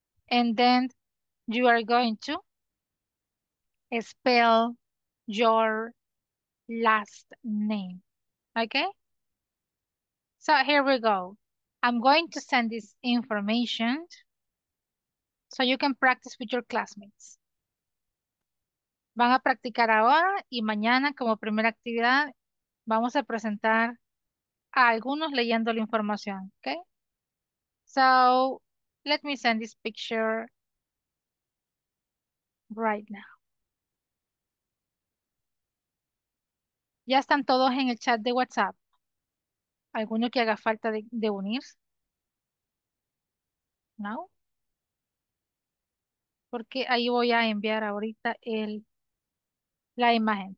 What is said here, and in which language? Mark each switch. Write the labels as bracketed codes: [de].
[en] And then you are going to spell your last name. Okay? So here we go. I'm going to send this information so you can practice with your classmates. [es] Van a practicar ahora y mañana como primera actividad vamos a presentar a algunos leyendo la información, okay? [en] So, let me send this picture right now. [es] ¿Ya están todos en el chat de WhatsApp? ¿Alguno que haga falta de unirse? ¿No? Porque ahí voy a enviar ahorita el... la imagen.